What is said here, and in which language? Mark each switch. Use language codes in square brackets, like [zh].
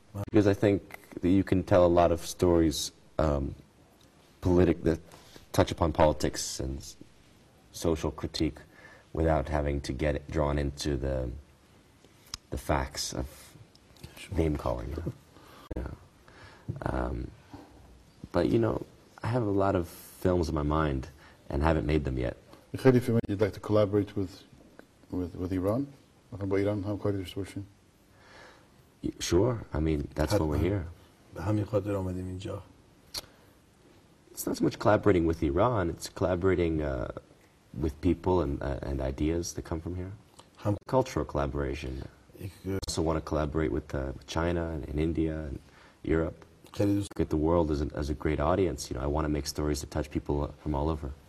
[en] Because I think that you can tell a lot of stories that touch upon politics and social critique without having to get it drawn into the facts of name calling. Yeah. But you know, I have a lot of films in my mind and haven't made them yet. [fa] خیلی فیلم [en] you'd like to collaborate with Iran? [fa] مثلا با ایران هم کاری داشته باشین. [en] Sure. I mean, that's why we're here. [fa] به همین خاطر اومدیم اینجا. [en] It's not so much collaborating with Iran, it's collaborating with people and ideas that come from here. Cultural collaboration. I also want to collaborate with China and India and Europe. Get the world as a great audience. You know, I want to make stories that touch people from all over.